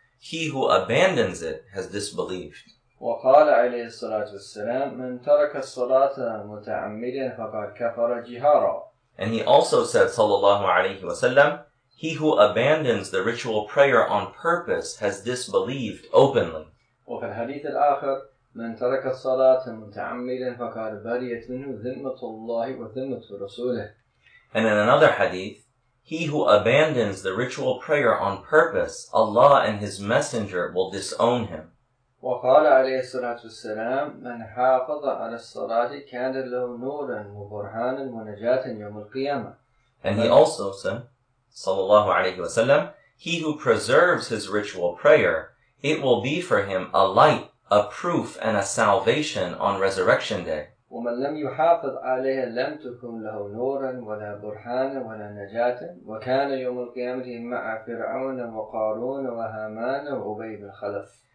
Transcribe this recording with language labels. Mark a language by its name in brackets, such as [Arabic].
[English] He who abandons it has disbelieved. [Arabic] وَقَالَ عَلَيْهِ الصَّلَاةُ وَالسَّلَامُ مَنْ تَرَكَ الصَّلَاةَ مُتَعَمِّدًا فَقَدْ كَفَرَ جِهَارًا [English] And he also said, sallallahu alayhi wa sallam, He who abandons the ritual prayer on purpose has disbelieved openly. [Arabic] وفي الحديث الآخر من ترك الصلاة متعمدا فقد بريت منه ذمة الله وذمة رسوله. [English] And in another hadith, he who abandons the ritual prayer on purpose, Allah and His Messenger will disown him. [Arabic] وقال عليه الصلاة والسلام من حافظ على الصلاة كان له نورا وبرهانا ونجاة يوم القيامة. [English] And he also said, Sallallahu alayhi wa sallam, he who preserves his ritual prayer, it will be for him a light, a proof, and a salvation on Resurrection Day. [Arabic] وَمَنْ لَمْ يُحَافِظْ عَلَيْهَا لَمْ تُكُمْ لَهُ نُورًا وَلَا بُرْحَانًا وَلَا نَجَاةً وَكَانَ يَوْمُ الْقِيَامَةِ مَعَ فِرْعَوْنَ وَقَارُونَ وَهَامَانَ وَعُبَيِّ بْنِ خَلَفٍ